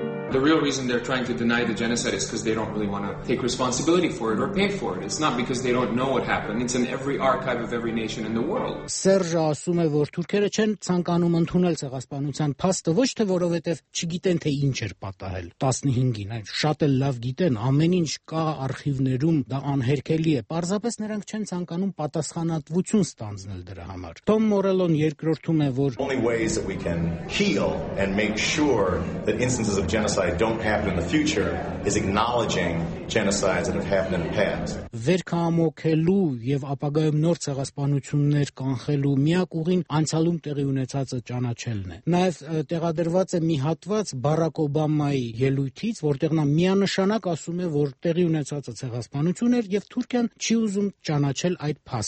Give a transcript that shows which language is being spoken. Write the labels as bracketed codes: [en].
[en] The real reason they're trying to deny the genocide is because they don't really want to take responsibility for it or pay for it. It's not because they don't know what happened. It's in every archive of every nation in the world. [hy] Սերժը ասում է, որ թուրքերը չեն ցանկանում ընդունել ցեղասպանության փաստը, ոչ թե որովհետև չգիտեն, թե ինչ էր պատահել 15-ին, այլ շատ էլ լավ գիտեն, ամեն ինչ կա արխիվներում, դա անհերքելի է։ Պարզապես նրանք չեն ցանկանում պատասխանատվություն ստանձնել դրա համար։ Թոմ Մորելոն երկրորդում է, որ [en] The only ways that we can heal and make sure that instances of genocide genocide don't happen in the future is acknowledging genocides that have happened in the past. [hy] Վերքամոքելու եւ ապագայում նոր ցեղասպանություններ կանխելու միակ ուղին անցալում տեղի ունեցածը ճանաչելն է։ Նաեւ տեղադրված է մի հատված Բարակ Օբամայի ելույթից, որտեղ նա միանշանակ ասում է, որ տեղի ունեցածը ցեղասպանություն էր եւ Թուրքիան չի ուզում ճանաչել այդ